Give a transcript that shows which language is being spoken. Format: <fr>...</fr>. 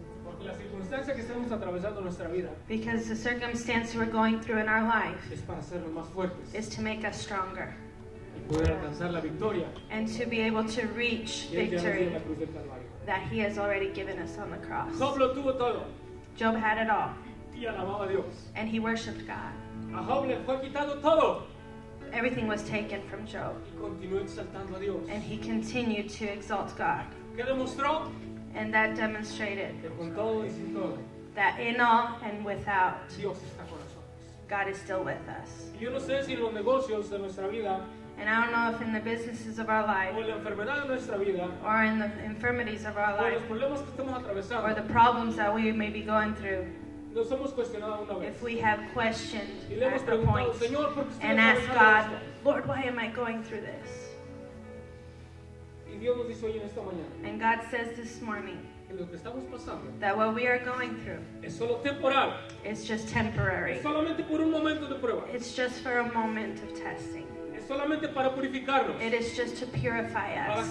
<es>Porque la circunstancia que estamos atravesando en nuestra vida.</es> <en>Because the circumstance we're going through in our life.</en> <es>Es para hacernos más fuertes.</es> <en>Is to make us stronger.</en> <es>poder alcanzar la victoria.</es> <en>And to be able to reach victory that he has already given us on the cross.</en> <es>Job lo tuvo todo.</es> <en>Job had it all.</en> <es>Y alababa a Dios.</es> <en>And he worshipped God.</en> <es>A Job le fue quitado todo.</es> <en>Everything was taken from Job.</en> <es>Y continuó exaltando a Dios.</es> <en>And he continued to exalt God.</en> <es>¿Qué demostró?</es> <en>And that demonstrated</en> <es>que con todo y sin todo,</es> <en>that in all and without,</en> <es>Dios está con nosotros.</es> <en>God is still with us.</en> <es>Yo no sé si los negocios de nuestra vida,</es> <en>and I don't know if in the businesses of our life,</en> <es>o la enfermedad de nuestra vida,</es> <en>or in the infirmities of our life,</en> <es>o los problemas que estamos atravesando,</es> <en>or the problems that we may be going through,</en> <es>nos hemos cuestionado una vez.</es> <en>If we have questioned</en> <es>y le hemos</es> <en>at the point,</en> <es>Señor, ¿por qué estoy</es> <en>and ask God, Lord, why am I going through this?</en> <es>Y Dios nos dice hoy en esta mañana,</es> <en>and God says this morning,</en> <es>lo que estamos pasando,</es> <en>that what we are going through</en> <es>es solo temporal,</es> <en>is just temporary.</en> <es>Es solamente por un momento de prueba.</es> <en>It's just for a moment of testing.</en> <es>Es solamente para purificarnos.</es> <en>It is just to purify us.</en>